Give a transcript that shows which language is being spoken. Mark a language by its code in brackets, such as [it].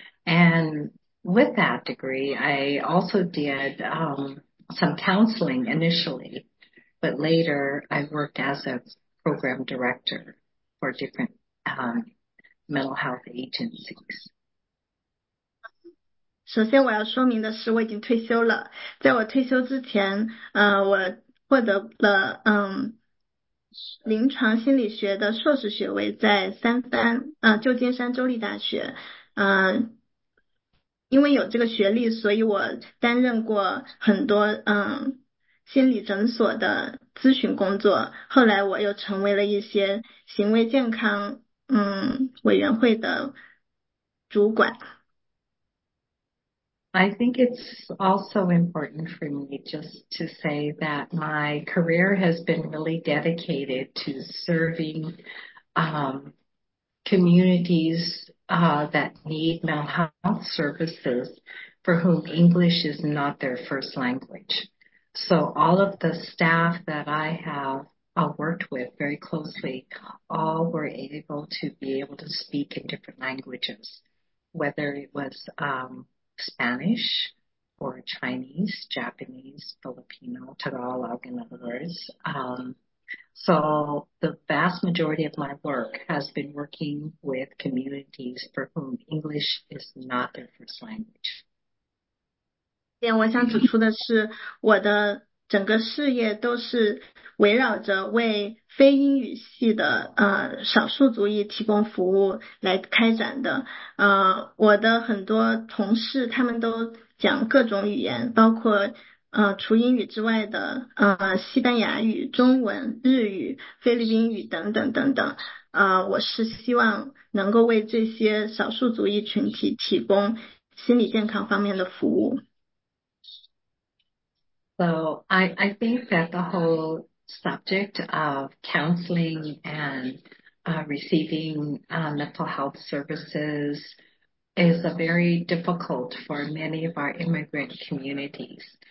[en] And with that degree, I also did some counseling initially, but later I worked as a program director for different mental health agencies. [zh] 首先我要说明的是我已经退休了。在我退休之前我获得了临床心理学的硕士学位，在旧金山州立大学。因为有这个学历，所以我担任过很多心理诊所的咨询工作，后来我又成为了一些行为健康委员会的主管。 [en] I think it's also important for me just to say that my career has been really dedicated to serving communities that need mental health services for whom English is not their first language. So all of the staff that I have worked with very closely all were able to be able to speak in different languages, whether it was Spanish or Chinese, Japanese, Filipino, Tagalog, in other words. So the vast majority of my work has been working with communities for whom English is not their first language. [zh] 我想指出的是，我的整个事业都是围绕着为非英语系的少数族裔提供服务来开展的。我的很多同事他们都讲各种语言，包括除英语之外的西班牙语、中文、日语、菲律宾语等等等等。我是希望能够为这些少数族裔群体提供心理健康方面的服务。 [en] So I think that the whole subject of counseling and receiving mental health services is a very difficult for many of our immigrant communities.